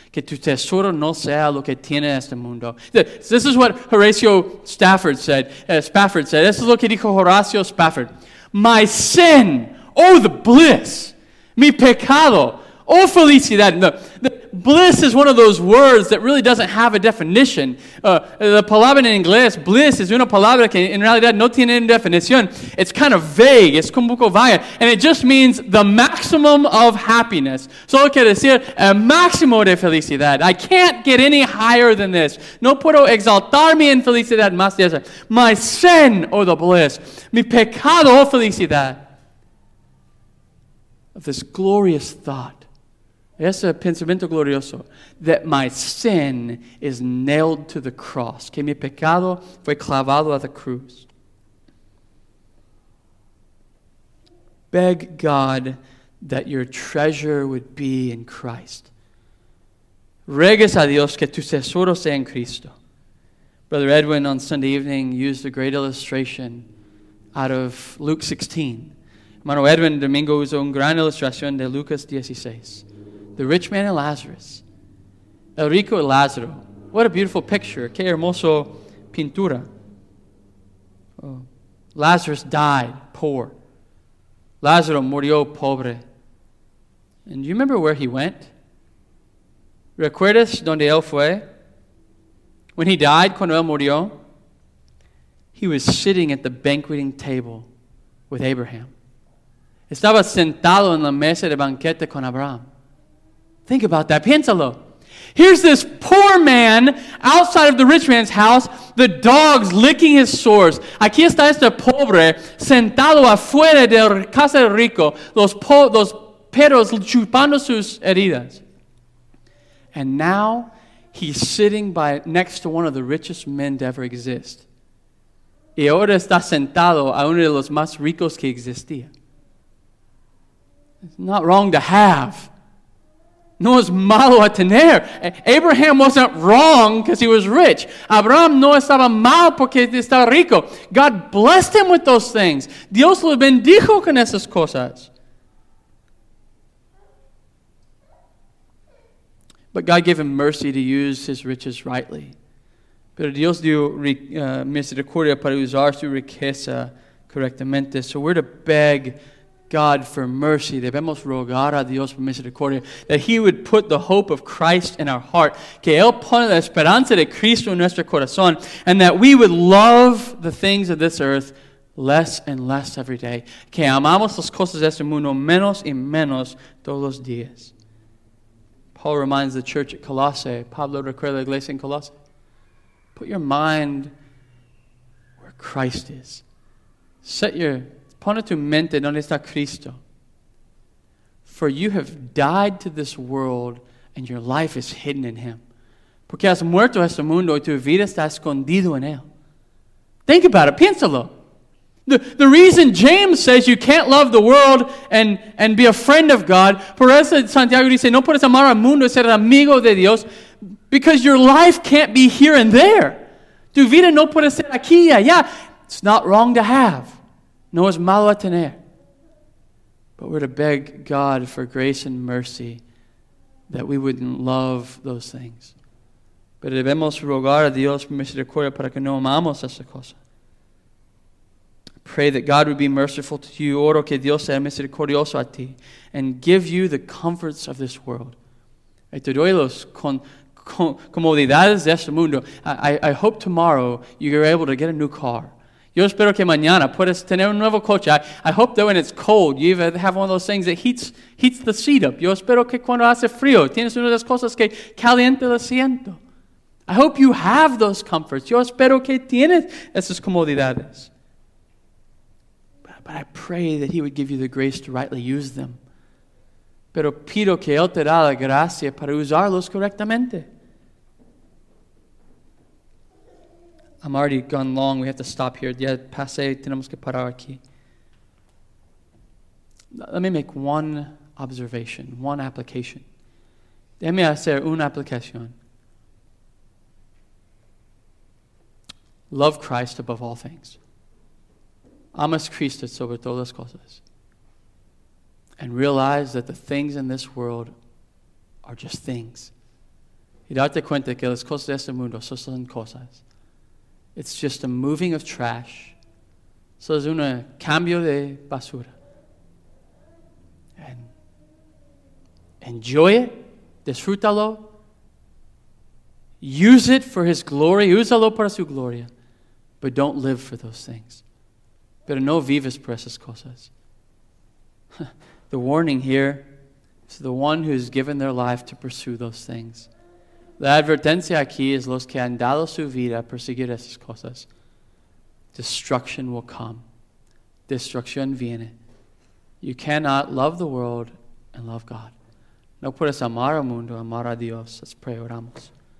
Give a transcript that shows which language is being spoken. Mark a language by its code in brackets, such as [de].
[es] Que tu tesoro no sea lo que tiene este mundo. [en] This is what Horatio Stafford said. This is [es] lo que dijo Horatio Stafford. [en] My sin, oh the bliss. [es] Mi pecado, oh felicidad. [en] The bliss is one of those words that really doesn't have a definition. [es] The palabra en inglés, bliss, is una palabra que en realidad no tiene definición. [en] It's kind of vague. [es] Es como un poco vaga. [en] And it just means the maximum of happiness. [es] Solo quiere decir el máximo de felicidad. [en] I can't get any higher than this. [es] No puedo exaltarme en felicidad más de eso. [en] My sin, oh the bliss. Mi pecado, oh felicidad. Of this glorious thought. [es] Es un pensamiento glorioso. [en] That my sin is nailed to the cross. [es] Que mi pecado fue clavado a la cruz. [en] Beg God that your treasure would be in Christ. Regues a Dios que tu tesoro sea en Cristo. Brother Edwin on Sunday evening used a great illustration out of Luke 16. [es] Hermano Edwin Domingo usó una gran ilustración de Lucas 16. [en] The rich man and Lazarus. [es] El rico y Lázaro. [en] What a beautiful picture. [es] Qué hermoso pintura. Oh. [en] Lazarus died poor. [es] Lázaro murió pobre. [en] And do you remember where he went? [es] ¿Recuerdas donde él fue? [en] When he died, [es] cuando él murió, [en] he was sitting at the banqueting table with Abraham. [es] Estaba sentado en la mesa de banquete con Abraham. [en] Think about that. [es] Piénsalo. [en] Here's this poor man outside of the rich man's house, the dogs licking his sores. [es] Aquí está este pobre sentado afuera de casa del rico, los perros chupando sus heridas. [en] And now he's sitting by next to one of the richest men to ever exist [es] Y ahora está sentado a uno de los más ricos que existía. [en] It's not wrong to have. [es] No es malo a tener. [en] Abraham wasn't wrong because he was rich. [es] Abraham no estaba mal porque estaba rico. [en] God blessed him with those things. [es] Dios lo bendijo con esas cosas. [en] But God gave him mercy to use his riches rightly. [es] Pero Dios dio misericordia para usar su riqueza correctamente. [en] So we're to beg God for mercy. [es] Debemos rogar a Dios por misericordia. [en] That he would put the hope of Christ in our heart. [es] Que él pone la esperanza de Cristo en nuestro corazón. [en] And that we would love the things of this earth less and less every day. [es] Que amamos las cosas de este mundo menos y menos todos los días. [en] Paul reminds the church at Colossae. [es] Pablo recuerda la iglesia en Colossae. [en] Put your mind where Christ is. [es] Pone tu mente donde está Cristo. [en] For you have died to this world and your life is hidden in him. [es] Porque has muerto a este mundo y tu vida está escondido en él. [en] Think about it. [es] Piénsalo. [en] The reason James says you can't love the world and be a friend of God, [es] por eso Santiago dice, no puedes amar al mundo y ser amigo de Dios, [en] because your life can't be here and there. [es] Tu vida no puede ser aquí y allá. [en] It's not wrong to have. [es] No es malo a tener. [en] But we're to beg God for grace and mercy that we wouldn't love those things. [es] Pero debemos rogar a Dios por misericordia para que no amamos esa cosa. [en] Pray that God would be merciful to you. [es] Oro que Dios sea misericordioso a ti. [en] And give you the comforts of this world. [es] Y te doy las comodidades de este mundo. [en] I hope tomorrow you're able to get a new car. [es] Yo espero que mañana puedas tener un nuevo coche. [en] I hope that when it's cold, you even have one of those things that heats the seat up. [es] Yo espero que cuando hace frío, tienes una de las cosas que caliente el asiento. [en] I hope you have those comforts. [es] Yo espero que tienes esas comodidades. [en] But I pray that he would give you the grace to rightly use them. [es] Pero pido que él te da la gracia para usarlos correctamente. [en] I'm already gone long. We have to stop here. [es] Ya pasé, tenemos que parar aquí. [en] Let me make one observation, one application. [es] Déjame hacer una aplicación. [en] Love Christ above all things. [es] Amas Cristo sobre todas las cosas. [en] And realize that the things in this world are just things. [es] Y date cuenta que las cosas de este mundo son cosas. [en] It's just a moving of trash. [es] So es un cambio de basura. [en] And enjoy it. [es] Disfrútalo. [en] Use it for his glory. [es] Úsalo para su gloria. [en] But don't live for those things. [es] Pero no vives por esas cosas. [en] The warning here is the one who's given their life to pursue those things. [es] La advertencia aquí es los que han dado su vida a perseguir esas cosas. [en] Destruction will come. Destrucción viene. You cannot love the world and love God. [es] No puedes amar al mundo, amar a Dios. [en] Let's pray, [es] oramos.